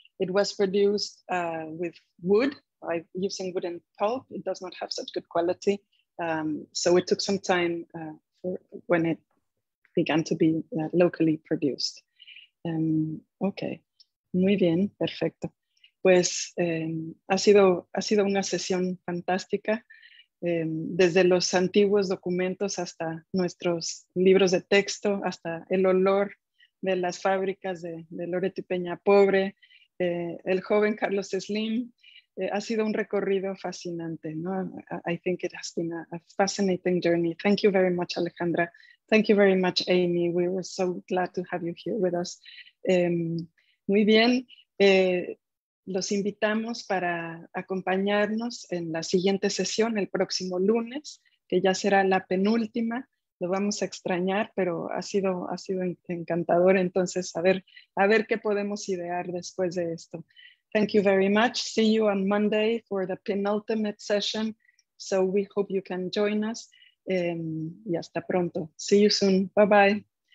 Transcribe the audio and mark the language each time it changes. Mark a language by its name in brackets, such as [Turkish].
[English] It was produced with wood, by using wooden pulp. It does not have such good quality. So it took some time for when it began to be locally produced. [Spanish] Ok, muy bien, perfecto. Pues ha sido una sesión fantástica, desde los antiguos documentos hasta nuestros libros de texto, hasta el olor de las fábricas de Loreto y Peña Pobre, el joven Carlos Slim, ha sido un recorrido fascinante, ¿no? [English] I think it has been a fascinating journey. Thank you very much, Alejandra. Thank you very much, Amy. We were so glad to have you here with us. [Spanish] Muy bien, los invitamos para acompañarnos en la siguiente sesión, el próximo lunes, que ya será la penúltima. Lo vamos a extrañar, pero ha sido encantador. Entonces, a ver qué podemos idear después de esto. [English] Thank you very much. See you on Monday for the penultimate session. So we hope you can join us. [Spanish] Y hasta pronto. [English] See you soon. Bye-bye.